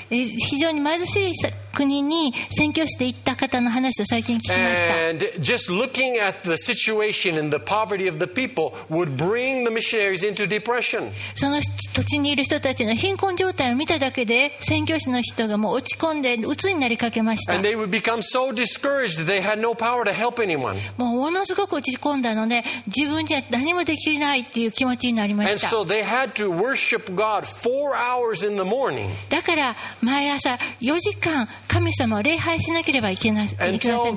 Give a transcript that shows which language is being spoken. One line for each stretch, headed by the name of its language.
Japanese: 非常に貧しい国に宣教して行った方の話を最近聞きました。
English: And just looking at the situation and the poverty of the people would bring the missionaries into depression.
Japanese: その土地にいる人たちの貧困状態を見ただけで宣教師の人がもう落ち込んで鬱になりかけました。
English: And they would become so discouraged that they had no power to help anyone.
Japanese: もうものすごく落ち込んだので自分じゃ何もできないっていう気持ちになりました。
English: And so they had to worship God 4 hours in the morning.
Japanese: だから毎朝4時間神様を礼拝しなければいけませんでした。